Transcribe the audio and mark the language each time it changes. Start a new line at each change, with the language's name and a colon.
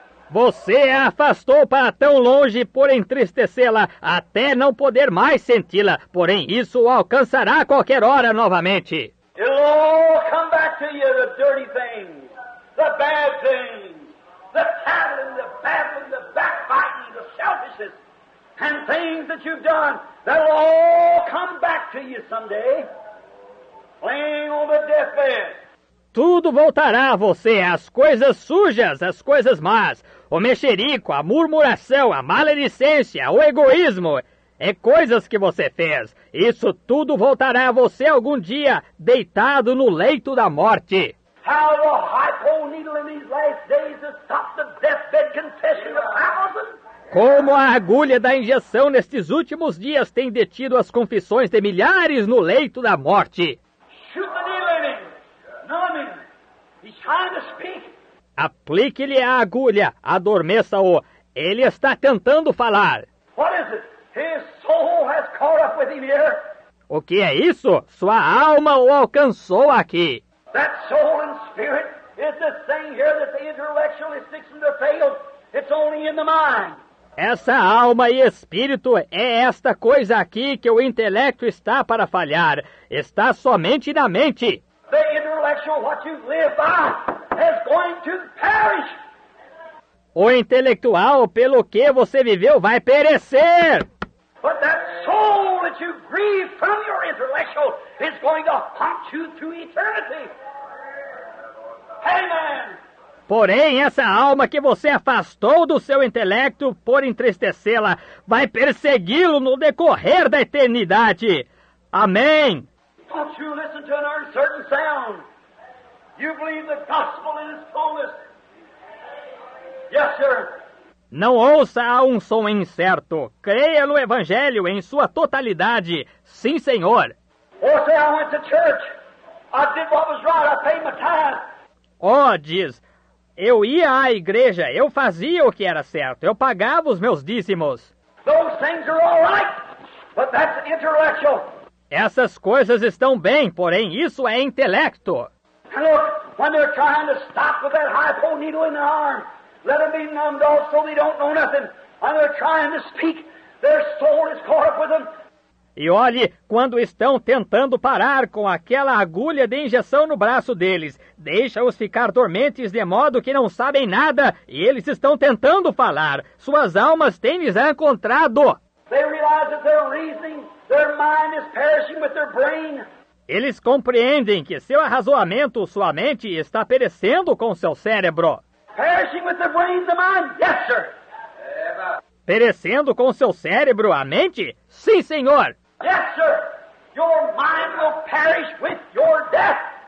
Portuguese: Você a afastou para tão longe por entristecê-la, até não poder mais senti-la. Porém, isso o alcançará a qualquer hora novamente.
English: It'll all come back to you, the dirty things, the bad things, the tattling, the babbling, the backbiting, the selfishness, and things that you've done. That'll all come back to you someday, laying on the deathbed.
Portuguese: Tudo voltará a você, as coisas sujas, as coisas más, o mexerico, a murmuração, a maledicência, o egoísmo. É coisas que você fez. Isso tudo voltará a você algum dia, deitado no leito da morte.
English: How the hypo needle in these last days has stopped the deathbed confession of thousands?
Portuguese: Como a agulha da injeção nestes últimos dias tem detido as confissões de milhares no leito da morte.
English: Shoot the needle in him. Numbing. He's trying to speak.
Portuguese: Aplique-lhe a agulha. Adormeça-o. Ele está tentando falar.
English: What is it? His soul has caught up with him here.
Portuguese: O que é isso? Sua alma o alcançou aqui.
English: That soul and spirit is the thing here that the intellectual is fixing to fail. It's only in the mind.
Portuguese: Essa alma e espírito é esta coisa aqui que o intelecto está para falhar. Está somente na mente.
English: The intellectual, what you live by, is going to perish.
Portuguese: O intelectual, pelo que você viveu, vai perecer.
English: But that soul that you grieve from your intellectual is going to haunt you through eternity. Amen.
Portuguese: Porém, essa alma que você afastou do seu intelecto por entristecê-la vai persegui-lo no decorrer da eternidade. Amém.
English: Don't you listen to an uncertain sound? You believe the gospel in its fullness. Yes, sir.
Portuguese: Não ouça a um som incerto. Creia no Evangelho em sua totalidade. Sim, Senhor.
English: Ou say, I went to church. I did what was right. I paid my tithe.
Portuguese: Oh, diz, eu ia à igreja. Eu fazia o que era certo. Eu pagava os meus dízimos.
English: Those things are all right, but that's intellectual.
Portuguese: Essas coisas estão bem, porém isso é intelecto.
English: And look, when they're trying to stop with that hypo needle in the arm. Let them be numbed also, they don't know nothing. And they're trying to speak, their soul is caught up with them.
Portuguese: E olhe, quando estão tentando parar com aquela agulha de injeção no braço deles, deixa-os ficar dormentes de modo que não sabem nada, e eles estão tentando falar. Suas almas têm lhes encontrado.
English: They realize that their reasoning, their mind is perishing with their brain.
Portuguese: Eles compreendem que seu arrazoamento, sua mente, está perecendo com seu cérebro.
English: Perishing with the brains of mine? Yes, sir.
Portuguese: Perecendo com seu cérebro, a mente? Sim, senhor.
English: Yes, sir. Your mind will perish with your death.